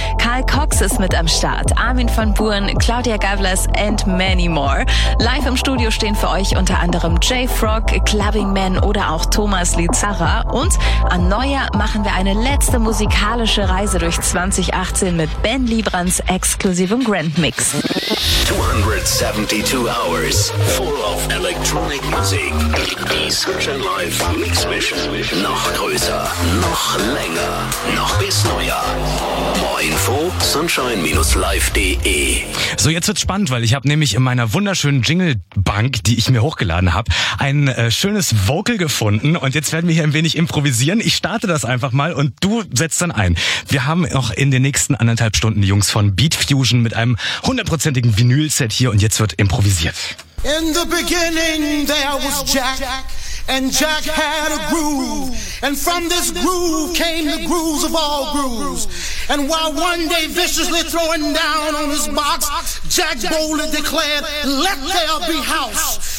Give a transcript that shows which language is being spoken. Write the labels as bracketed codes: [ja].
[de] Karl Cox ist mit am Start. Armin van Buuren, Claudia Gavlas [en] and many more. [de] Live im Studio stehen für euch unter anderem J-Frog, Clubbing Man oder auch Thomas Lizarra. Und an Neujahr machen wir eine letzte musikalische Reise durch 2018 mit Ben Librans exklusivem Grand Mix. [en] 272 hours full of electronic music. [de] Die Sunshine Live Mix Mission. Noch größer, noch länger, noch bis Neujahr. [en] More info sunshine-live.de. [de] So, jetzt wird's spannend, weil ich habe nämlich in meiner wunderschönen Jinglebank, die ich mir hochgeladen habe, ein schönes Vocal gefunden und jetzt werden wir hier ein wenig improvisieren. Ich starte das einfach mal und du setzt dann ein. Wir haben noch in den nächsten anderthalb Stunden die Jungs von Beat Fusion mit einem hundertprozentigen Vinyl-Set hier und jetzt wird improvisiert. [en] In the beginning there was Jack and Jack had a groove and from this groove came the grooves of all grooves and while one day viciously throwing down on his box Jack boldly declared let there be house.